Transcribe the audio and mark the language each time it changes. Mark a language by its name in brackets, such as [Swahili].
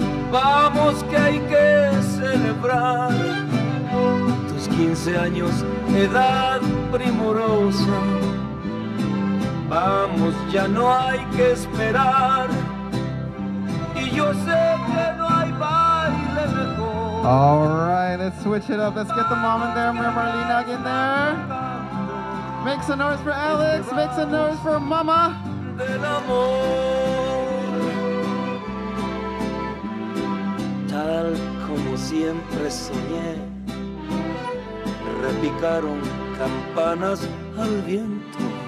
[Spanish] Vamos que hay que celebrar tus 15 años, edad primorosa. Vamos, ya no hay que esperar. Y yo sé que no hay baile mejor. [English] All right, let's switch it up. Let's get the mom in there, Marlene in there. Make some noise for Alex, make some noise for Mama. [Spanish] Del amor, tal como siempre soñé, repicaron campanas al viento.